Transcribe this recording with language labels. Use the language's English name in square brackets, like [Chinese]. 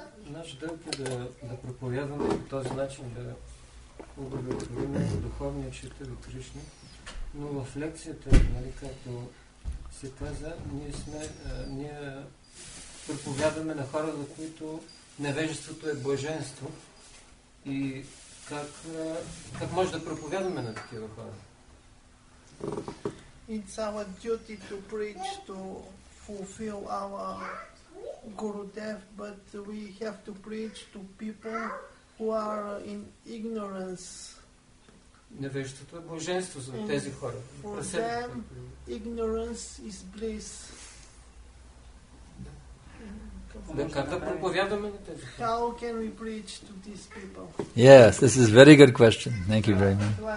[Bulgarian] Наш дълг е да проповядваме по този начин да удовлетворим духовния читър от Кришна, но в лекцията, нали, както се каза, ние проповядваме на хора, за които невежеството е блаженство. И как може да проповядваме на такива хора? [English] It's our duty to preach, to fulfill our Gurudev, but we have to preach to people who are in ignorance. [Bulgarian] Невежеството е блаженство за тези хора. [English] For them, ignorance is bliss. How can we preach to these people? Yes, this is a very good question. Thank you very much.